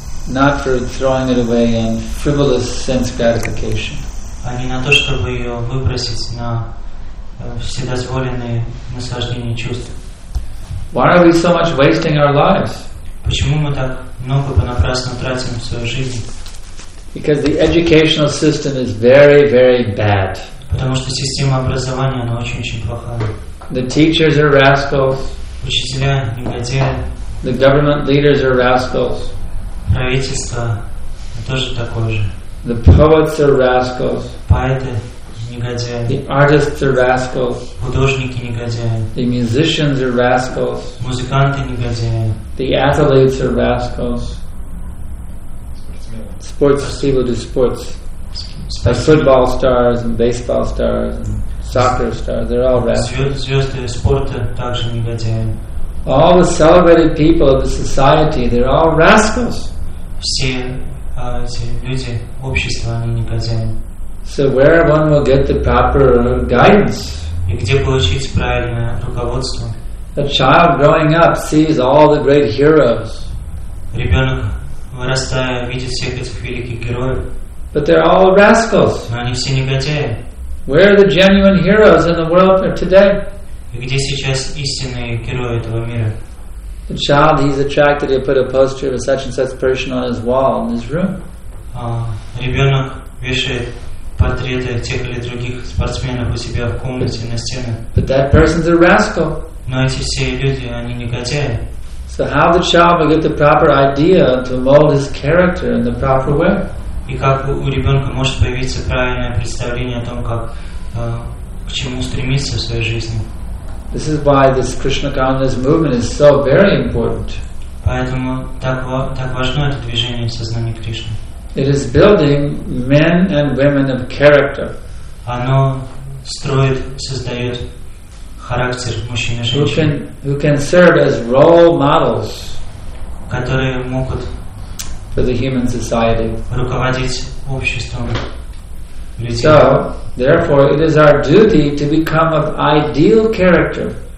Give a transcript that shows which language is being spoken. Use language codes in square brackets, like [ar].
[en] Not for throwing it away on frivolous sense gratification. [ru] А не на то, чтобы ее выбросить на вседозволенные наслаждения чувств. [en] Why are we so much wasting our lives? [ru] Почему мы так много понапрасну тратим в свою жизнь? [en] Because the educational system is very, very bad. [ru] Потому что система образования, она очень-очень плохая. [en] The teachers are rascals. [ru] Учителя негодяи. [en] The government leaders are rascals. [ru] Правительство тоже такое же. [en] The poets are rascals. [ru] Поэты негодяи. [en] The artists are rascals. [ru] Художники негодяи. [en] The musicians are rascals. [ru] Музыканты негодяи. [en] The athletes are rascals. Sports people do sports. Like football stars and baseball stars and soccer stars, they're all rascals. [ru] Звезды спорта также негодяи. [en] All the celebrated people of the society, they're all rascals. [ru] Все эти люди, общество, они негодяи. [en] So where one will get the proper guidance? [ru] И где получить правильное руководство? [en] A child growing up sees all the great heroes. [ru] Ребенок вырастая видит всех этих великих героев. [en] But they're all rascals. [ru] Но они все негодяи. [en] Where are the genuine heroes in the world today? [ru] И где сейчас истинные герои этого мира? [en] The child, he's attracted, he put a poster of such and such person on his wall in his room. [ru] Ребенок вешает портреты тех или других спортсменов у себя в комнате на стене. [en] But that person's a rascal. [ru] Но эти все люди, они негодяи. [en] So how the child will get the proper idea to mold his character in the proper way? [ru] И как у ребенка может появиться правильное представление о том, как к чему стремиться в своей жизни? [en] This is why this Krishna consciousness movement is so very important. [ru] Поэтому так важно это движение в сознании Кришны. [en] It is building men and women of character. [ru] Оно строит, создает характер мужчин и женщин. [en] Who can serve as role models? [ru] Которые могут [en] for the human society. [ru] Руководить обществом людей. [en] So, therefore, it is our duty to become of ideal character.